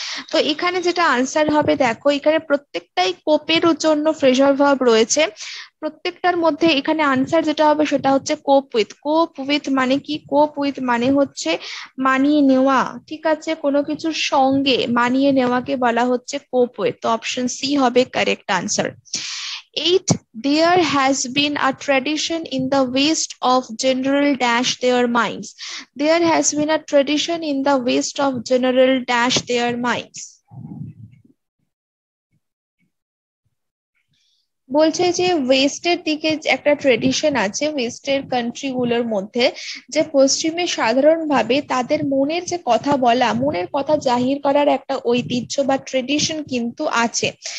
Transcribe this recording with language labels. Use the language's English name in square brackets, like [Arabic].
[Bangla] তো এখানে যেটা আনসার হবে দেখো, এখানে প্রত্যেকটাই কোপের জন্য ফ্রেজাল ভার্ব রয়েছে, প্রত্যেকটার মধ্যে এখানে আনসার যেটা হবে সেটা হচ্ছে কোপ উইথ। কোপ উইথ মানে কি, কোপ উইথ মানে হচ্ছে মানিয়ে নেওয়া, ঠিক আছে, কোনো কিছুর সঙ্গে মানিয়ে নেওয়াকে বলা হচ্ছে কোপ উইথ। তো অপশন সি হবে correct answer. [English] 8, there has been a tradition in the west of general dash their minds, there has been a tradition in the west of general dash their minds। [Bangla] বলছে যে ওয়েস্টের দিকে একটা tradition আছে, ওয়েস্টের country গুলোর মধ্যে, যে পশ্চিমে সাধারণভাবে তাদের মনের যে কথা বলা, মনের কথা জাহির করার একটা ঐতিহ্য বা ট্রেডিশন কিন্তু আছে।